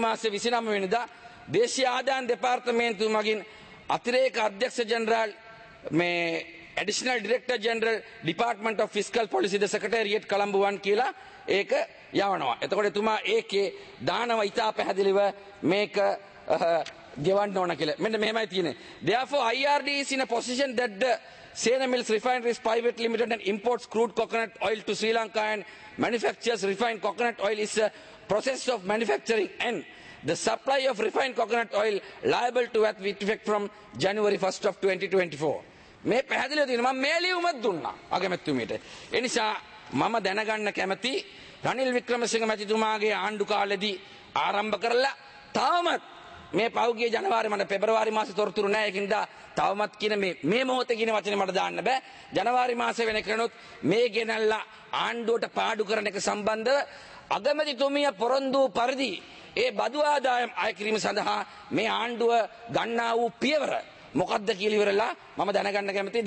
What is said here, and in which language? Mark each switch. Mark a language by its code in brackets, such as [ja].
[si] 29 වෙනිදා දේශීය ආදායම් දෙපාර්තමේන්තුව මගින් අතිරේක අධ්‍යක්ෂ ජෙනරාල් මේ additional director general department of fiscal police ද සෙක්‍රටරියට් කොළඹ 1 කියලා ඒක යවනවා. එතකොට එතුමා ඒකේ දානවා ඉතා පැහැදිලිව මේක ගෙවන්න ඕන කියලා. මෙන්න මෙහෙමයි තියෙන්නේ. [en] Therefore IRD is in a position that the Sena Mills Refineries Private Limited and imports crude coconut oil to Sri Lanka and manufactures refined coconut oil is a process of manufacturing and the supply of refined coconut oil liable to VAT with effect from January 1st of 2024 [si] මේ පැහැදිලිව තියෙනවා. මම මේ ලියුම දුන්නා අගමැතිතුමියට. ඒ නිසා මම දැනගන්න කැමති රනිල් වික්‍රමසිංහ මැතිතුමාගේ ආණ්ඩු කාලෙදී ආරම්භ කරලා තාමත් මේ පෞගිය ජනවාරි මට පෙබරවාරි මාසේ තොරතුරු නැහැ. ඒකින්ද තවමත් කියන මේ මොහොතේ කියන වචනේ මට දාන්න බෑ. ජනවාරි මාසේ වෙනකනොත් මේ ගෙනල්ලා ආණ්ඩුවට පාඩු කරන එක සම්බන්ධව අගමැතිතුමිය පොරොන්දු පරිදි ඒ බදු ආදායම් අය කිරීම සඳහා මේ ආණ්ඩුව ගන්නා වූ පියවර මොකක්ද කියලා ඉවරලා මම දැනගන්න කැමතියි.